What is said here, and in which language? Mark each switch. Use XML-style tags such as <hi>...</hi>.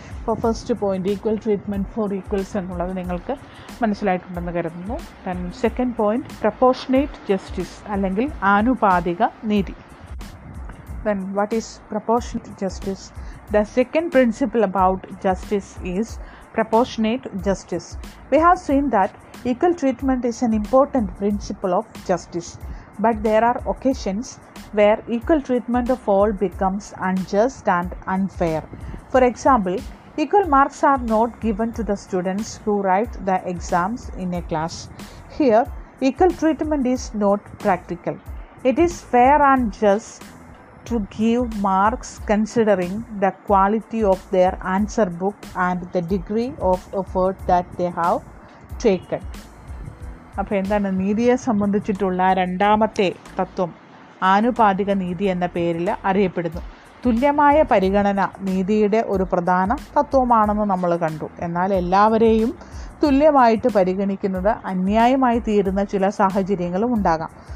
<ml>അപ്പോൾ</ml> <en>first point equal treatment for equals</en> <ml>എന്നുള്ളത് നിങ്ങൾക്ക് മനസ്സിലായിട്ടുണ്ടെന്ന് കരുതുന്നു.</ml> <en>then second point, proportionate justice</en> <ml>അല്ലെങ്കിൽ ആനുപാതിക നീതി.</ml> <en>Then what is proportionate justice? The second principle about justice is proportionate justice. We have seen that equal treatment is an important principle of justice, but there are occasions where equal treatment of all becomes unjust and unfair. For example, equal marks are not given to the students who write the exams in a class. Here, equal treatment is not practical. It is fair and just to give marks considering the quality of their answer book and the degree of effort that they have taken.</en> <ml>അപ്പോൾ എന്താണ് നീതിയെ സംബന്ധിച്ചിട്ടുള്ള രണ്ടാമത്തെ തത്വം? ആനുപാതിക നീതി എന്ന പേരിൽ അറിയപ്പെടുന്നു. തുല്യമായ പരിഗണന നീതിയുടെ ഒരു പ്രധാന തത്വമാണെന്ന് നമ്മൾ കണ്ടു. എന്നാൽ എല്ലാവരെയും തുല്യമായിട്ട് പരിഗണിക്കുന്നത് അന്യായമായി തീരുന്ന ചില സാഹചര്യങ്ങളും ഉണ്ടാകാം.</ml>